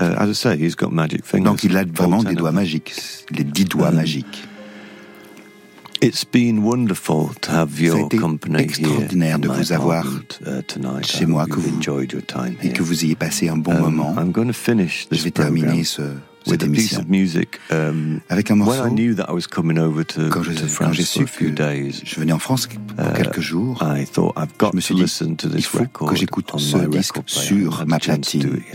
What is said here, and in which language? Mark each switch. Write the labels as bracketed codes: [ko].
[fr] Donc il a vraiment des doigts magiques, les 10 doigts magiques. [en] It's been wonderful to have your company here. [fr] C'était extraordinaire de vous avoir chez moi, que vous [en] enjoyed your time here. [fr] Et que vous ayez passé un bon moment. [en] I'm going to finish this program with a piece of music. [fr] Avec un morceau. [en] When I knew that I was coming over to France for a few days, [fr] je venais en France pour quelques jours. [en] I thought I've got to listen to this record. [fr] Il faut que j'écoute ce disque sur ma platine.